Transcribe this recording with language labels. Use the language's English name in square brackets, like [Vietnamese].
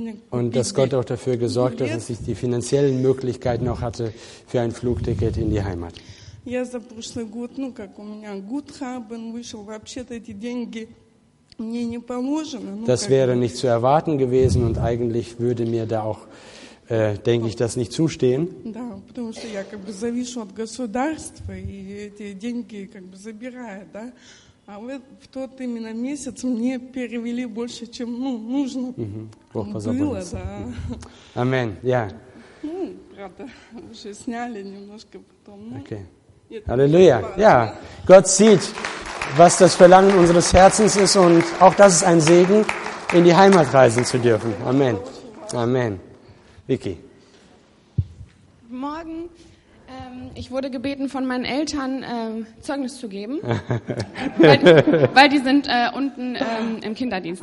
[German] Und dass Gott auch dafür gesorgt hat, dass ich die finanziellen Möglichkeiten noch hatte für ein Flugticket in die Heimat. [Russian] Я за прошлый год, ну, как у меня [German] Guthaben [Russian] вышел, вообще-то эти деньги мне не положены. [German] Das wäre nicht zu erwarten gewesen und eigentlich würde mir da auch, denke ich, das nicht zustehen. [Russian] Да, потому что я как бы завишу от государства, и эти деньги как бы забирают, да? А вот в тот именно месяц мне перевели больше, чем, ну, нужно было, да. Амен, я. Ну, правда, уже сняли немножко потом, ну. Окей. [German] Halleluja. Ja, Gott sieht, was das Verlangen unseres Herzens ist und auch das ist ein Segen, in die Heimat reisen zu dürfen. Amen. Amen. Vicky. Guten Morgen. Ich wurde gebeten, von meinen Eltern Zeugnis zu geben, weil die sind unten im Kinderdienst.